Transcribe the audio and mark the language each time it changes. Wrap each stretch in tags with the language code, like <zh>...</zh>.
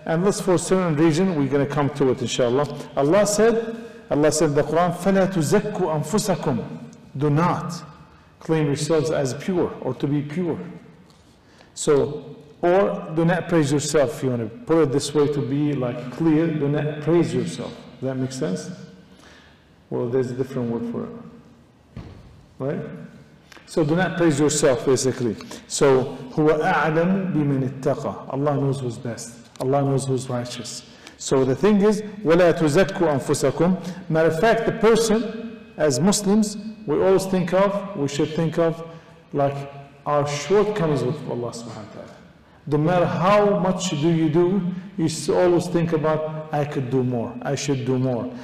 <en>And this for a certain reason, we're going to come to it inshallah. Allah said in the Quran,</en> <ar>فَلَا تُزَكُّوا أَنفُسَكُمْ</ar> <en>Do not claim yourselves as pure or to be pure. So, or do not praise yourself, if you want to put it this way to be like clear, do not praise yourself. Does that make sense? Well, there's a different word for it, right? So do not praise yourself, basically.</en> <ar>So, هو أعلم بمن اتقى.</ar> <en>Allah knows who's best. Allah knows who's righteous. So the thing is,</en> <ar>ولا تزكوا أنفسكم.</ar> <en>Matter of fact, the person, as Muslims, we always think of, we should think of, like our shortcomings with Allah subhanahu wa ta'ala. No matter how much do you do, you always think about, I could do more, I should do more.</en>